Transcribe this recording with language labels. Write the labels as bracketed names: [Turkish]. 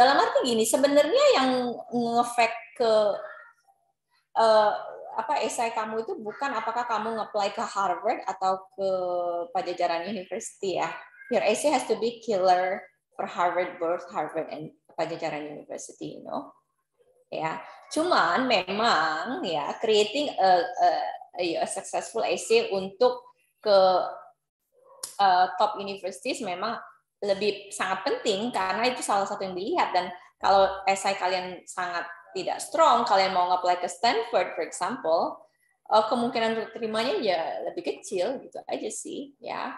[Indonesian] Dalam arti gini, sebenarnya yang nge-affect ke apa esai kamu itu bukan apakah kamu nge-apply ke Harvard atau ke Pajajaran University ya. [English] Your essay has to be killer for Harvard, both Harvard and Pajajaran University, you know. Ya. Yeah. [Indonesian] Cuman memang ya yeah, [English] creating a successful essay [Indonesian] untuk ke top universities memang lebih sangat penting karena itu salah satu yang dilihat. Dan kalau esai kalian sangat tidak strong, kalian mau nge-apply ke Stanford [English] for example, [Indonesian] kemungkinan terimanya ya lebih kecil gitu aja sih, ya.